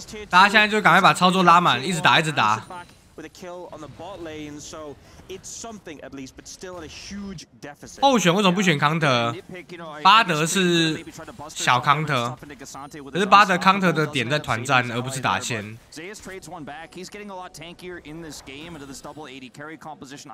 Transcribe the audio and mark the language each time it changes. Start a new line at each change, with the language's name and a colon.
Chinese: 大家现在就赶快把操作拉满，一直打，一直打。
English: With a kill on the bot lane, so it's something at least, but still in a huge deficit.
Chinese: 候选为什么不选康特？巴德是小康特，可是巴德康特的点在团战，而不是打线。
English: Zayas trades one back. He's getting a lot tankier in this game into this double AD carry composition.